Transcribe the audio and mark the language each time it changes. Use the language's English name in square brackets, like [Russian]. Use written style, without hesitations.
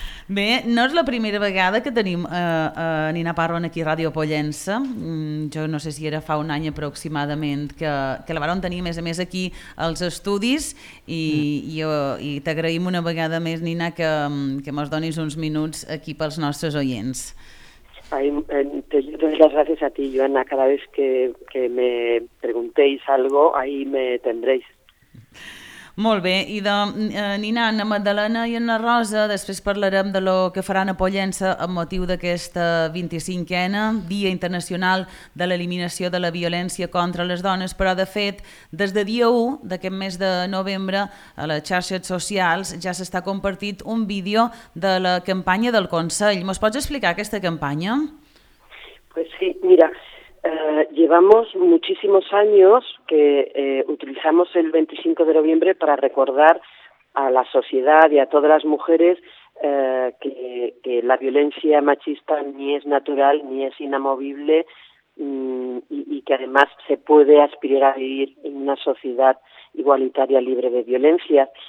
[Catalan] Bé, no és la primera vegada que tenim Nina Parron aquí a Ràdio Pollença. Jo no sé si era fa un any aproximadament que la vàrem tenir a més aquí als estudis i t'agraïm una vegada més, Nina, que mos donis uns minuts aquí pels nostres oients. [Spanish] Ay, te doy las gracias a ti, Joana. Cada vez que me preguntéis algo, ahí me tendréis. [Catalan] Molt bé, i de Nina, Anna Magdalena i Anna Rosa, després parlarem de lo que faran a Pollença amb motiu d'aquesta 25ena Dia Internacional de l'Eliminació de la Violència contra les Dones, però de fet, des de dia 1 d'aquest mes de novembre, a les xarxes socials ja s'està compartit un vídeo de la campanya del Consell. Mos pots explicar aquesta campanya? [Spanish] Pues sí, mira, llevamos muchísimos años que utilizamos el 25 de noviembre para recordar a la sociedad y a todas las mujeres que la violencia machista ni es natural ni es inamovible y que además se puede aspirar a vivir en una sociedad igualitaria libre de violencia.